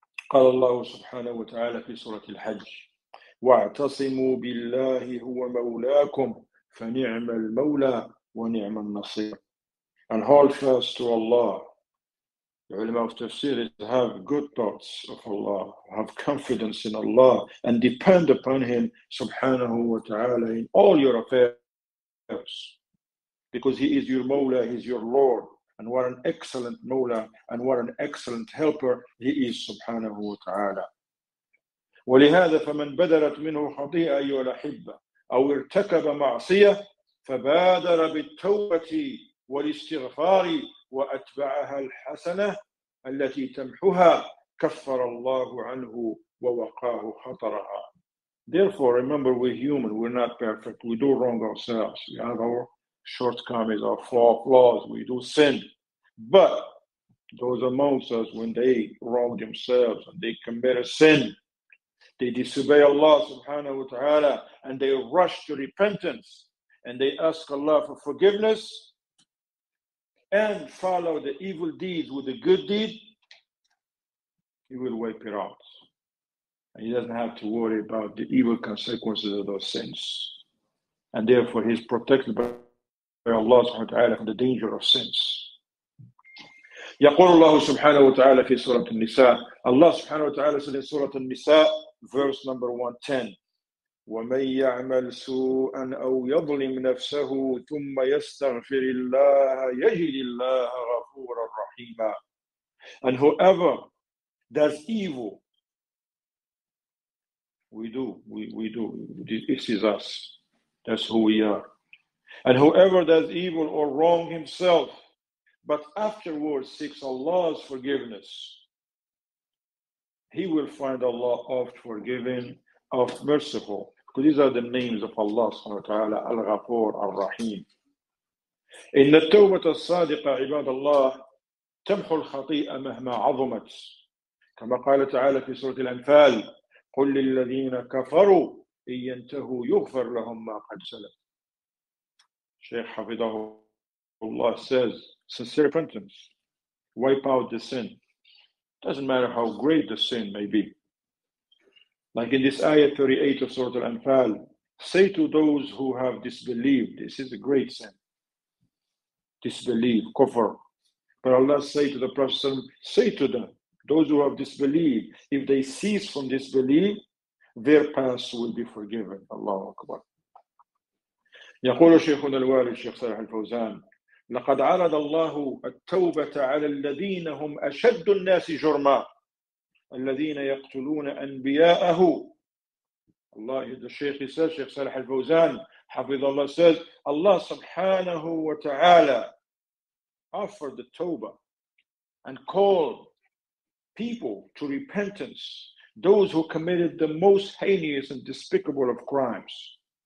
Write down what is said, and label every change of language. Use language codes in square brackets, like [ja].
[ar] قال الله سبحانه وتعالى في سورة الحج واعتصموا بالله هو مولاكم فنعم المولى ونعم النصير. [en] And hold fast to Allah. The ulama of tafsir is to have good thoughts of Allah, have confidence in Allah, and depend upon Him, subhanahu wa ta'ala, in all your affairs. Because He is your Mawla, He is your Lord, and what an excellent Mawla, and what an excellent helper He is, subhanahu wa ta'ala. [ar] وَلِهَذَا فَمَنْ بَدَرَتْ مِنْهُ خَطِيئَ أَيُّهَا الْأَحِبَّةُ أَوْ ارْتَكَبَ مَعْصِيَةً فَبَادَرَ بِالتَّوْبَةِ وَالِاسْتِغْفَارِ وأتبعها الحسنة التي تمحها كفر الله عنه ووقاه خطرها. [en] Therefore, remember, we're human. We're not perfect. We do wrong ourselves. We have our shortcomings, our flaws. We do sin. But those amongst us, when they wrong themselves and they commit a sin, they disobey Allah subhanahu wa ta'ala and they rush to repentance and they ask Allah for forgiveness and follow the evil deeds with a good deed, He will wipe it out. And he doesn't have to worry about the evil consequences of those sins. And therefore, he's protected by Allah subhanahu wa ta'ala from the danger of sins. [ar] يقول الله سبحانه وتعالى في سورة النساء. [en] Allah subhanahu wa ta'ala said in سورة النساء, verse number 110. [ar] وَمَنْ يَعْمَلْ سُوءًا أَوْ يَظْلِمْ نَفْسَهُ ثُمَّ يَسْتَغْفِرِ اللَّهَ يَجِدِ اللَّهَ غَفُورًا رَحِيمًا. [en] And whoever does evil, we do, this is us, that's who we are. And whoever does evil or wrong himself, but afterwards seeks Allah's forgiveness, he will find Allah oft forgiving, of merciful. Because these are the names of Allah subhanahu wa ta'ala, Al-Ghafur, Al-Rahim. [ar] إن التوبة الصادقة عباد الله تمحو الخطيئة مهما عظمت. كما قال تعالى في سورة الأنفال قل للذين كفروا إن ينتهوا يغفر لهم ما قد سلف. [en] Shaykh [ar] حفظه الله [en] says, sincere repentance, wipe out the sin. Doesn't matter how great the sin may be. Like in this ayah 38 of Surah Al-Anfal, say to those who have disbelieved, this is a great sin, disbelief, kufr. But Allah say to the Prophet, say to them, those who have disbelieved, if they cease from disbelief, their past will be forgiven. Allahu Akbar. [ar] يقول شيخنا الوالد شيخ صالح الفوزان لقد عرض الله التوبة على الذين هم أشد الناس جرما الذين يقتلون أنبياءه. [en] الله the Shaykh says, Shaykh Salah al-Fawzan, [ar] حفظ الله [en] says, Allah subhanahu wa ta'ala offered the tawbah and called people to repentance, those who committed the most heinous and despicable of crimes.